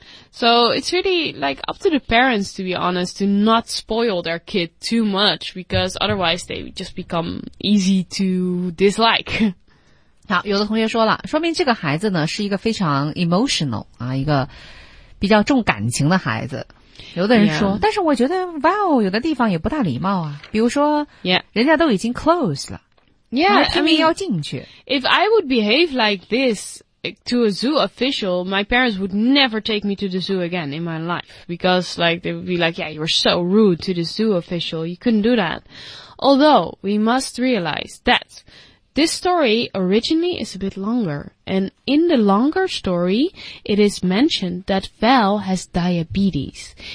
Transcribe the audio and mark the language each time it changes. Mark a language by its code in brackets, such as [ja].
[en] So it's really like up to the parents to be honest to not spoil their kid too much because otherwise they just become easy to dislike. [zh] 好，有的同学说了，说明这个孩子呢是一个非常 emotional 啊，一个比较重感情的孩子。有的人说， [en] yeah. [zh] 但是我觉得 Val 有的地方也不大礼貌啊，比如说， [en] yeah. [zh] 人家都已经 close 了， [en] yeah, [zh] 还拼命要进去。 [en] I mean, if I would behave like this to a zoo official, my parents would never take me to the zoo again in my life because, like, they would be like, "Yeah, you were so rude to the zoo official. You couldn't do that." Although we must realize that. This story originally is a bit longer, and in the longer story, it is mentioned that Val has diabetes.